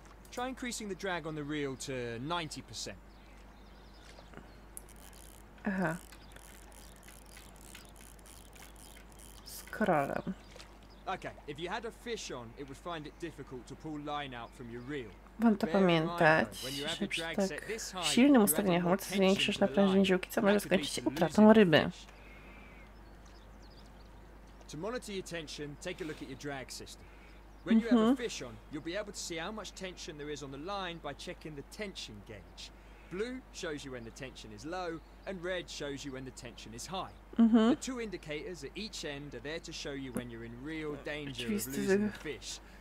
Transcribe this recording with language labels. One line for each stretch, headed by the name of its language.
English: Try increasing the drag on the reel to 90%. Aha.
Polish: Scrollem.
English: Okay, if you had a fish on, it would find it difficult to pull line out from your reel.
Polish: Mam to pamiętać, że przy tak silnym ustawieniu hamulca zwiększysz naprężenie żyłki, co może skończyć się utratą ryby.
English: To monitor your tension, take a look at your drag system. When you have a fish on, you'll be able to see how much tension there is on the line by checking the tension gauge. Blue shows you when the tension is low, and red shows you when the tension is high. The two indicators at each end are there to show you when you're in real danger of losing the fish.